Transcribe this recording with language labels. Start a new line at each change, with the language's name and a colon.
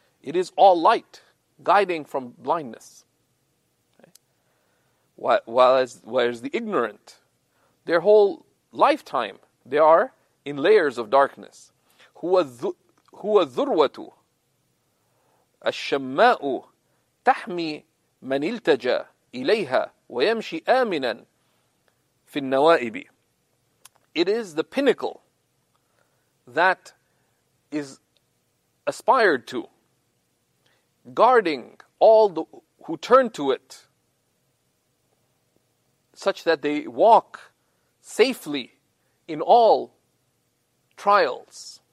English: It is all light, guiding from blindness. Okay? Whereas the ignorant, their whole lifetime, they are in layers of darkness.
Arabic: هو الذروة الشماء تحمي من التجى إليها ويمشي آمنا في النوائب.
English: It is the pinnacle that is aspired to, guarding all the who turn to it, such that they walk safely in all trials.